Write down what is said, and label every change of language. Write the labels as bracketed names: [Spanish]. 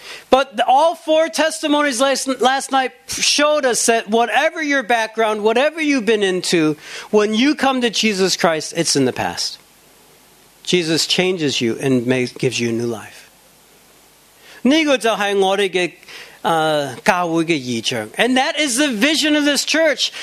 [English] But all 4 testimonies last night showed us that whatever your background, whatever you've been into, when you come to Jesus Christ, it's in the past. Jesus changes you and gives you a new life. [Chinese] 这个就是我们教会的意象, [English] and that is the vision of this church.